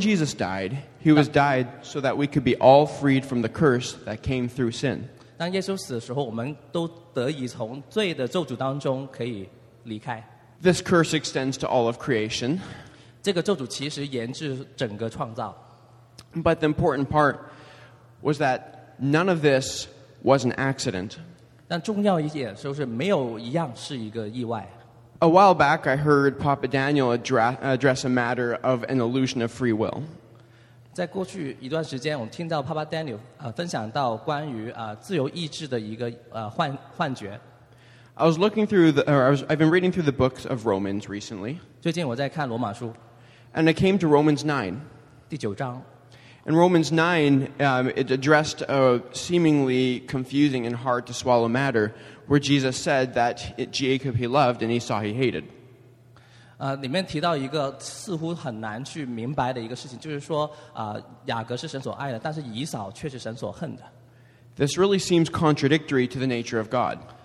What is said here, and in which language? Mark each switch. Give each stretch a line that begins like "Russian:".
English: Jesus died, he was died so that we could be all freed from the curse that came through sin.
Chinese: 当耶稣死的时候，我们都得以从罪的咒诅当中可以离开。
English: This curse extends to all of creation.
Chinese: 这个咒诅其实延至整个创造。
English: But the important part was that none of this was an accident.
Chinese: 但重要一点就是没有一样是一个意外。
English: A while back, I heard Papa Daniel address a matter of an illusion of free will.
Chinese: 在过去一段时间，我们听到Papa Daniel分享到关于自由意志的一个幻觉。
English: I was looking through the, or I've been reading through the books of Romans recently.
Chinese: 最近我在看罗马书。
English: And I came to Romans 9.
Chinese: 第九章。
English: In Romans 9, it addressed a seemingly confusing and hard to swallow matter, where Jesus said that Jacob he loved and Esau he hated.
Chinese: 里面提到一个似乎很难去明白的一个事情，就是说，雅各是神所爱的，但是以扫却是神所恨的。
English: This really seems contradictory to the nature of God.